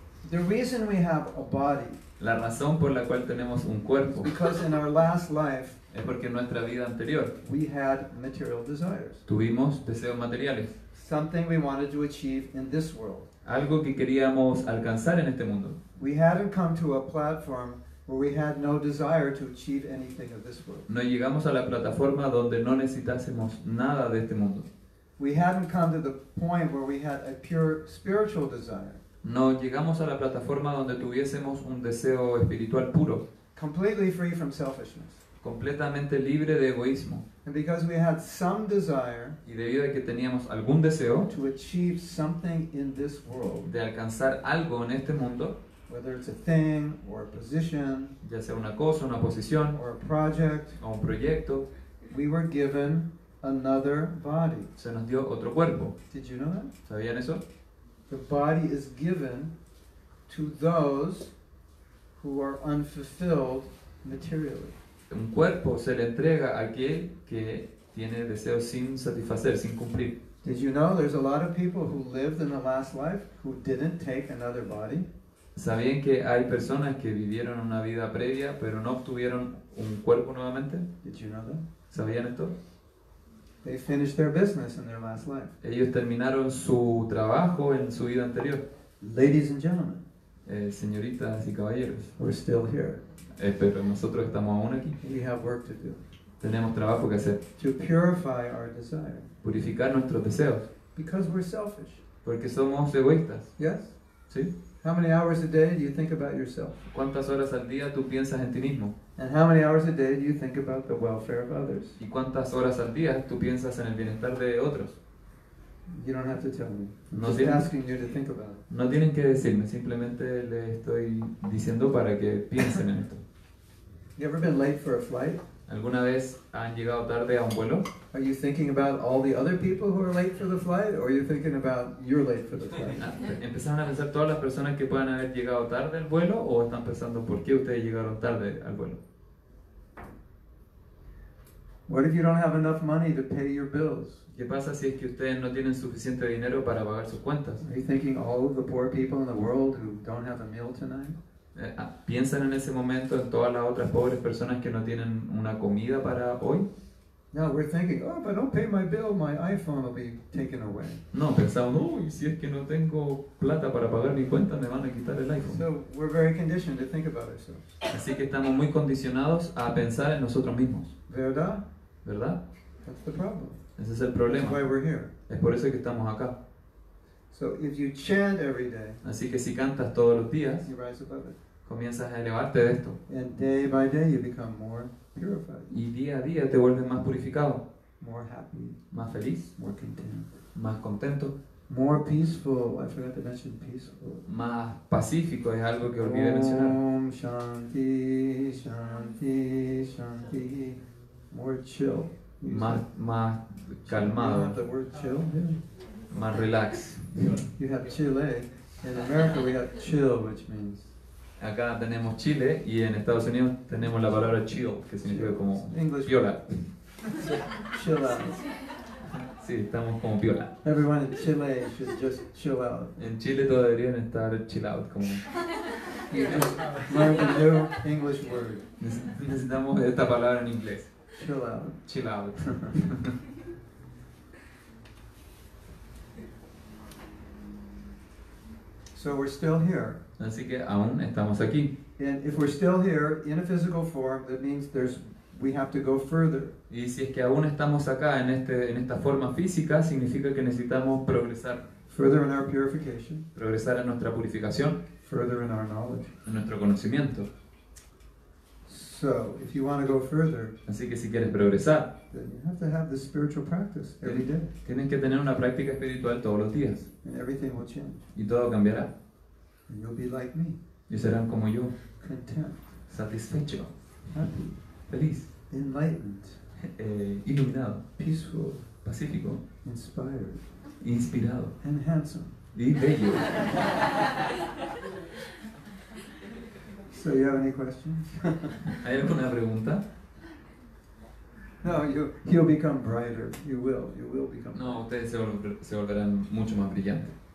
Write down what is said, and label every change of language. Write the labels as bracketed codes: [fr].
[en] The reason we have a body. [es] La razón por la cual tenemos un cuerpo. [en] Because in our last life. [es] Es porque en nuestra vida anterior [en] we had material desires. [es] Tuvimos deseos materiales. [en] Something we wanted to achieve in this world. [es] Algo que queríamos alcanzar en este mundo. [en] We hadn't come to a platform where we had no desire to achieve anything of this world. [es] No llegamos a la plataforma donde no necesitásemos nada de este mundo. [en] We hadn't come to the point where we had a pure spiritual desire. [es] No llegamos a la plataforma donde tuviésemos un deseo espiritual puro. [en] Completely free from selfishness. [es] Completamente libre de egoísmo. [en] And because we had some desire, [es] y debido a que teníamos algún deseo [en] to achieve something in this world, [es] de alcanzar algo en este mundo, [en] whether it's a thing or a position, [es] ya sea una cosa, una posición, [en] or a project, [es] o un proyecto, [en] we were given another body. [es] Se nos dio otro cuerpo. [en] Did you know that? [es] ¿Sabían eso? [en] The body is given to those who are unfulfilled materially. [es] Un cuerpo se le entrega a aquel que tiene deseos sin satisfacer, sin cumplir. [en] Did you know there's a lot of people who lived in the last life who didn't take another body? [es] ¿Sabían que hay personas que vivieron una vida previa pero no obtuvieron un cuerpo nuevamente? [en] Did you know that? [es] ¿Sabían esto? [en] They finished their business in their last life. [es] Ellos terminaron su trabajo en su vida anterior. [en] Ladies and gentlemen, [es] señoritas y caballeros, [en] we're still here. [es] Pero nosotros estamos aún aquí. [en] We have work to do. [es] Tenemos trabajo que hacer. [en] To purify our desire. [es] Purificar nuestros deseos. [en] Because we're selfish. [es] Porque somos egoístas. [en] Yes. [es] Sí. [en] How many hours a day do you think about yourself? [es] ¿Cuántas horas al día tú piensas en ti mismo? [en] And how many hours a day do you think about the welfare of others? [es] ¿Y cuántas horas al día tú piensas en el bienestar de otros? [en] You don't have to tell me. [es] No tienen, [en] just asking you to think about it. [es] No tienen que decirme, simplemente le estoy diciendo para que piensen en esto. [en] You ever been late for a flight? [es] ¿Alguna vez han llegado tarde a un vuelo? [en] Are you thinking about all the other people who are late for the flight, or are you thinking about you're late for the flight? [es] ¿Empezaron a pensar todas las personas que puedan haber llegado tarde al vuelo, o están pensando por qué ustedes llegaron tarde al vuelo? [en] What if you don't have enough money to pay your bills? [es] ¿Qué pasa si es que ustedes no tienen suficiente dinero para pagar sus cuentas? [en] Are you thinking all of the poor people in the world who don't have a meal tonight? [es] ¿Piensan en ese momento en todas las otras pobres personas que no tienen una comida para hoy? [en] No, we're thinking, oh, if I don't pay my bill, my iPhone will be taken away. [es] No, pensamos, uy, si es que no tengo plata para pagar mi cuenta, me van a quitar el iPhone. [en] So we're very conditioned to think about ourselves. [es] Así que estamos muy condicionados a pensar en nosotros mismos. ¿Verdad? ¿Verdad? [en] That's the problem. [es] Ese es el problema. [en] That's why we're here. [es] Es por eso que estamos acá. [en] So if you chant every day, [es] así que si cantas todos los días, [en] you rise above it. [es] Comienzas a elevarte de esto. [en] And day by day you become more purified. [es] Y día a día te vuelves más purificado. [en] More happy. [es] Más feliz. [en] More content. [es] Más contento. [en] More peaceful. I forgot to mention peaceful. [es] Más pacífico, es algo que olvidé mencionar. [sa] Om Shanti, Shanti, Shanti. [en] More chill. [es] Más calmado. [en] You want the word chill? [es] Más relax. [en] You have Chile. In America we have chill, which means. [es] Acá tenemos Chile y en Estados Unidos tenemos la palabra chill, que significa [en] chill. [es] Como [en] English. [es] Piola. [en] Chill out. [es] Sí, estamos como piola. [en] Everyone in Chile should just chill out. [es] En Chile todos deberían estar chill out, como. [en] Learn a new English word. [es] Necesitamos esta palabra en inglés. [en] Chill out. Chill out. So we're still here. [es] Así que aún estamos aquí. [en] And if we're still here in a physical form, that means we have to go further. [es] Y si es que aún estamos acá en esta forma física, significa que necesitamos progresar. [en] Further in our purification. [es] Progresar en nuestra purificación. [en] Further in our knowledge. [es] En nuestro conocimiento. [en] So, if you want to go further. [es] Así que si quieres progresar. [en] Then you have to have the spiritual practice every day. [es] Tienes que tener una práctica espiritual todos los días. [en] And everything will change. [es] Y todo cambiará. [en] And you'll be like me. [es] Y serán como yo. [en] Content. [es] Satisfecho. [en] Happy. [es] Feliz. [en] Enlightened. [es] Iluminado. [en] Peaceful. [es] Pacífico. [en] Inspired. [es] Inspirado. [en] And handsome. [es] Y bello. [en] So you have any questions? [es] ¿Hay alguna pregunta? [en] No, you'll become brighter. You will become. [es] No, ustedes se volverán mucho más brillantes.